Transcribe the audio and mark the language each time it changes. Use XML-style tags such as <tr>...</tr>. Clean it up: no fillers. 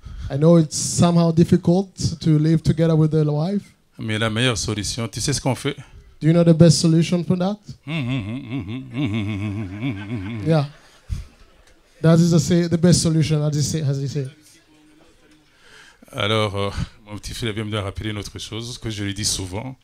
<en>I know it's somehow difficult to live together with a wife.</en> <fr>Mais la meilleure solution, tu sais ce qu'on fait?</fr> <en>Do you know the best solution for that? Yeah. That is the best solution, as you say.</en> <fr>Alors, mon petit frère vient de rappeler une autre chose que je lui dis souvent.</fr>